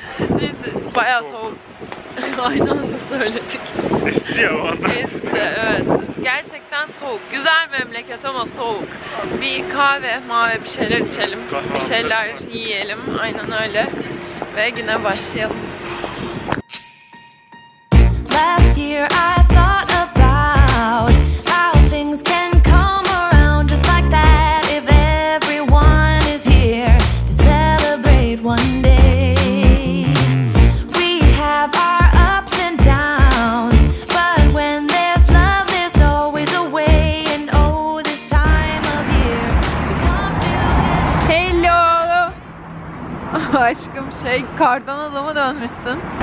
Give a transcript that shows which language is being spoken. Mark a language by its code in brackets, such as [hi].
[tr] Neyse, bayağı soğuk. Aynı anda söyledik. Esti ya o anda. Esti, evet. Gerçekten soğuk. Güzel memleket ama soğuk. Bir kahve, mavi bir şeyler içelim. Bir şeyler yiyelim, aynen öyle. Ve güne başlayalım. [en] Last year I thought about how things can come around just like that if everyone is here to celebrate one day. We have our ups and downs, but when there's love there's always a way, and oh this time of year we come together. Hello. [tr] Aşkım şey, kardan adama dönmüşsün.